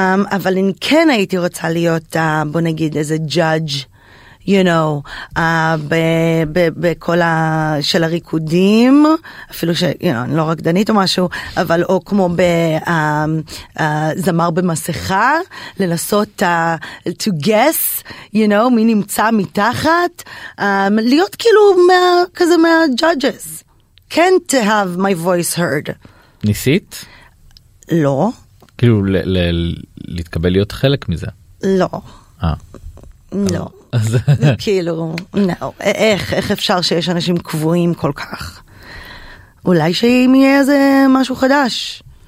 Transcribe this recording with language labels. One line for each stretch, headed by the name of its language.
Hebrew: אבל אם כן הייתי רוצה להיות, בוא נגיד, איזה judge,
English: you know,
Hebrew: בכל של הריקודים, אפילו ש, you know, לא רק דנית או משהו, אבל או כמו בזמר במסכה, לנסות
English: to guess,
Hebrew: you know, מי נמצא מתחת, להיות כאילו כזה מה-judges.
English: Can't have my voice heard.
Hebrew: ניסית? לא. כאילו, להתקבל להיות חלק מזה? לא. אה. לא. זה כאילו, לא. איך אפשר שיש אנשים קבועים כל כך? אולי שאם יהיה איזה משהו חדש.